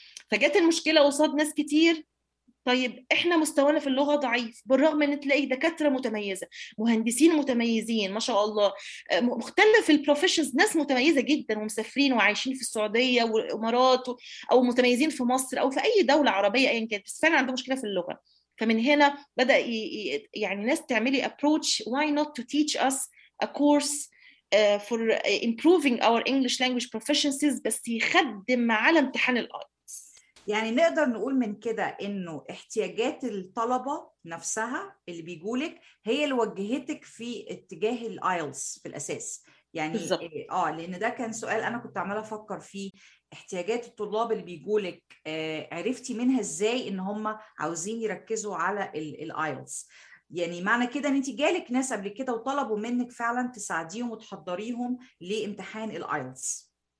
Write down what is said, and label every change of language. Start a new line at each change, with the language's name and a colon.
Arabic: فجت المشكله قصاد ناس كتير، طيب احنا مستوانا في اللغه ضعيف بالرغم ان تلاقي دكاتره متميزه، مهندسين متميزين ما شاء الله، مختلف البروفيشنز، ناس متميزه جدا ومسافرين وعايشين في السعوديه والامارات او متميزين في مصر او في اي دوله عربيه ايا كانت، بس فعلا عندهم مشكله في اللغه. فمن هنا بدا يعني ناس تعملي ابروتش،
English: why not to teach us a course for improving our English language proficiencies
Arabic: بس يخدم على امتحان الآي. يعني نقدر نقول من كده انه احتياجات الطلبة نفسها اللي بيقولك هي اللي وجهتك في اتجاه الايلتس في الاساس، يعني بالزبط. لان ده كان سؤال انا كنت عمالة افكر فيه، احتياجات الطلاب اللي بيقولك عرفتي منها ازاي ان هم عاوزين يركزوا على الايلتس، يعني معنى كده ان انت جالك ناس قبل كده وطلبوا منك فعلا تساعديهم وتحضريهم لامتحان الايلتس.